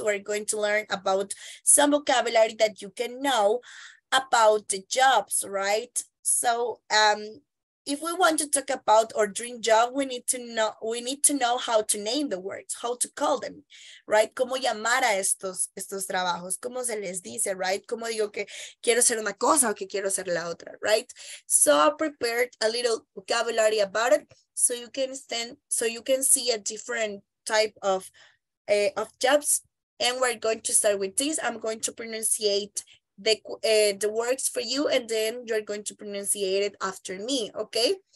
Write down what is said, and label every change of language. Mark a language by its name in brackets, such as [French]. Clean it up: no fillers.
[English] We're going to learn about some vocabulary that you can know about the jobs, right? So if we want to talk about our dream job, we need to know how to name the words, how to call them, right? [Spanish] ¿Cómo llamar a estos trabajos? ¿Cómo se les dice, right? ¿Cómo digo que quiero hacer una cosa o que quiero hacer la otra, right? [English] So I prepared a little vocabulary about it so you can see a different type of jobs. And we're going to start with this. I'm going to pronunciate the words for you, and then you're going to pronunciate it after me, okay?